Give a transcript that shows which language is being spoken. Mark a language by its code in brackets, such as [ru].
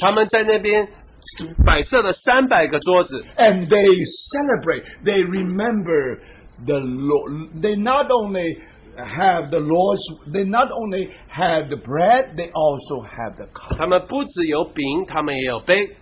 [zh] 他们在那边摆设了300个桌子, [en] and they celebrate, they remember the Lord, they not only have the Lord's, they not only have the bread, they also have the cup. [zh] 他们不只有饼, 他们也有杯,